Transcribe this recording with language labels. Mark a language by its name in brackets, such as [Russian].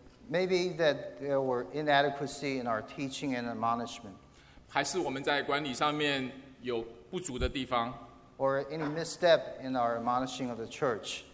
[English] Maybe that there were inadequacy in our teaching and admonishment. [Chinese] 还是我们在管理上面有不足的地方。 [English] Or any misstep in our admonishing of the church.